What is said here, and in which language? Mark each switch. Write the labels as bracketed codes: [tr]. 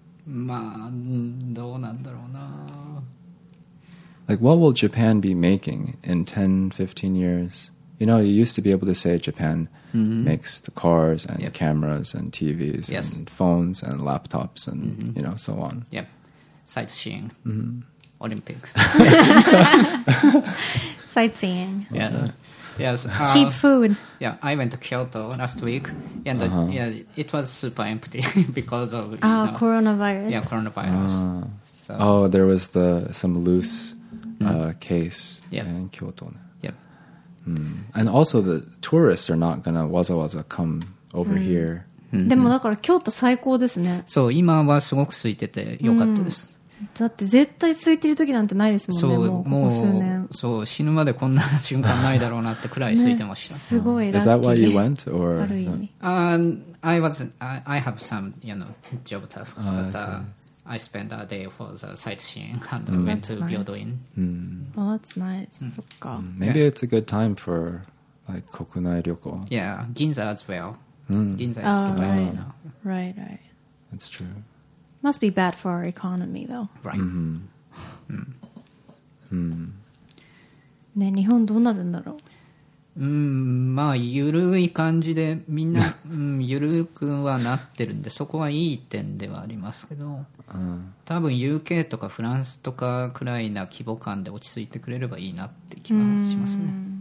[ja] まあどうなんだろうな。 [en] Like, what will Japan be making in 10, 15 years? You know, you used to be able to say Japan、 mm-hmm. makes the cars and、 yep. cameras and TVs、 yes. and phones and laptops and,、mm-hmm. you know, so on. Yep. Sightseeing.、 Mm-hmm. Olympics. Sightseeing. Yeah.、Okay. Yes, cheap food. Yeah, I went to Kyoto last week, and、 uh-huh. It was super empty because of coronavirus. Yeah, coronavirus.、 So. Oh, there was some loose、mm. Case、 yep. in Kyoto. Yep.、 Mm. And also, the tourists are not gonna [ja] waza waza [en] come over、mm. here. [ja] でもだから京都最高ですね。そう、今はすごく空いてて良かったです。だって絶対空いてる時なんてないですもんね。もうここ数年、そう、死ぬまでこんな瞬間ないだろうなってくらい空いてました。ね、すごいラッキー。 [en] Is that why you went? Or I have some, you know, job tasks. But, I spent a day for the sightseeing and mm. went to Byodoin. Mm. Oh, that's nice. Mm. So か. Maybe yeah. it's a good time for like 国内旅行. Yeah, Ginza as well. Mm. Ginza is so right now. Right, right. That's true. Must be bad for our economy though. Right. Mm-hmm. [ja] うん、ね、日本どうなるんだろう。うん、まあゆるい感じでみんな、うん、ゆるくはなってるんで、そこはいい点ではありますけど、多分 UK とかフランスとかくらいな規模感で落ち着いてくれればいいなって気はしますね。